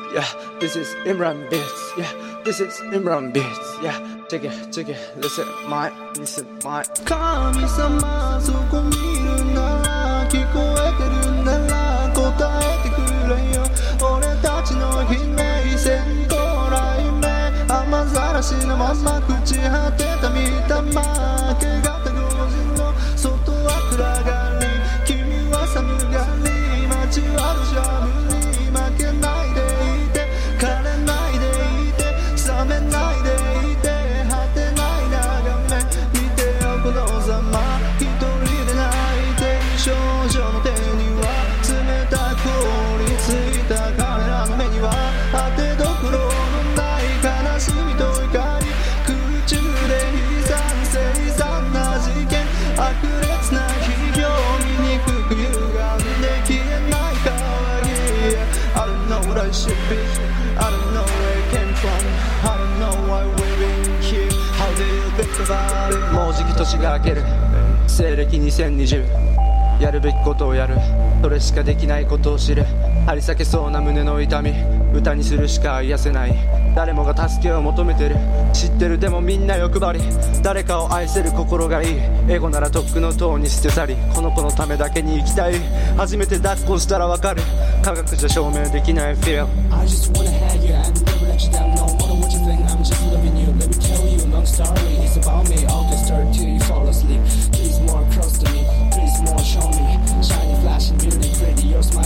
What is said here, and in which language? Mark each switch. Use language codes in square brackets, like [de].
[en] Yeah, this is Imran Beats. Yeah, this is Imran Beats. Yeah, take it, take it. Listen, my, listen, my. [ja] 神様そこ見るなら、聞こえてるなら答えてくれよ。俺たちの悲鳴線香雷鳴、雨ざらしのまま朽ち果てた見た負けがた老人の外は暗がり、君は寒がり、街はどしゃ降り、負けないでいて、枯れないでいて、冷めないでいて、果てない眺め見てよこのざま、一人で泣いて少女の手には凍りついた彼らの目には当てどころのない悲しみと怒り、空中で悲惨凄惨な事件、悪烈な悲劇、醜く歪んで消えない騒ぎ。 [en] I don't know where I should be, I don't know where I came from, I don't know why we're been here, how do you think about it? [ja] もうじき年が明ける、西暦2020、やるべきことをやる、それしかできないことを知る、張り裂けそうな胸の痛み、歌にするしか癒せない、誰もが助けを求めてる、知ってる、でもみんな欲張り、誰かを愛せる心がいい、エゴならとっくの塔に捨て去り、この子のためだけに生きたい、初めて抱っこしたらわかる、科学じゃ証明できない [en] feel。 I just wanna have you, I'm privileged, I know what you think, I'm just loving you, let me tell you a long story, it's about me, I'll just start till you fall asleep, please more close to me, please more show me, shiny flashing beauty, pretty your